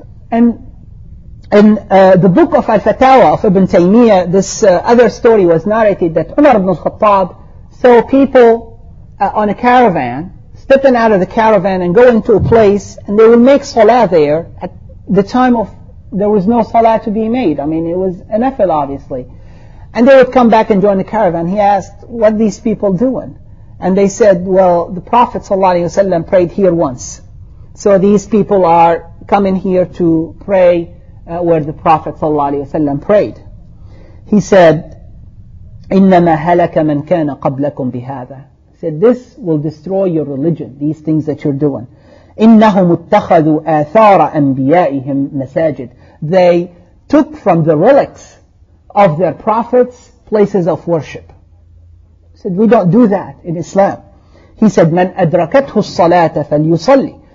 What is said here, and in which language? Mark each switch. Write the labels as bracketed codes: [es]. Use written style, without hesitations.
[en] And In the book of Al-Fatawa of Ibn Taymiyyah, this other story was narrated that Umar ibn al-Khattab saw people on a caravan, stepping out of the caravan and going to a place, and they would make salah there at the time of, there was no salah to be made. I mean, it was an nafil, obviously. And they would come back and join the caravan. He asked, what are these people doing? And they said, well, the Prophet sallallahu alayhi wa sallam prayed here once. So these people are coming here to pray where the Prophet ﷺ prayed. He said, [ar] إِنَّمَا هَلَكَ مَنْ كَانَ قَبْلَكُمْ بِهَذَا. [en] He said, this will destroy your religion, these things that you're doing. [ar] إِنَّهُمُ اتَّخَذُوا آثَارَ أَنْبِيَائِهِمْ مَسَاجِدٍ. [en] They took from the relics of their prophets places of worship. He said, we don't do that in Islam. He said, [ar] مَنْ أَدْرَكَتْهُ الصَّلَاةَ فَلْيُصَلِّ.